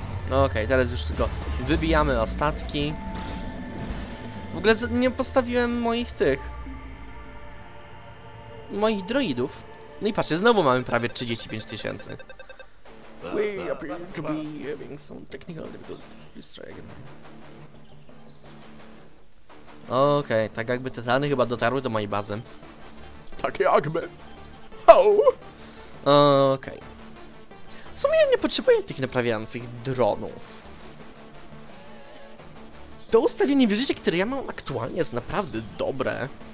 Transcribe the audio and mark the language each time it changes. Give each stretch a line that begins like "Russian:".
Polish: Okej, teraz już tylko wybijamy ostatki. W ogóle nie postawiłem moich tych... moich droidów. No i patrzcie, znowu mamy prawie 35 tysięcy.
English: We appear to be having some technical difficulties. Please try again.
Polish: Okej, okay, tak jakby te dane chyba dotarły do mojej bazy. Tak jakby. Hał! Okej. Okay. W sumie ja nie potrzebuję tych naprawiających dronów. To ustawienie wierzycie, które ja mam aktualnie, jest naprawdę dobre.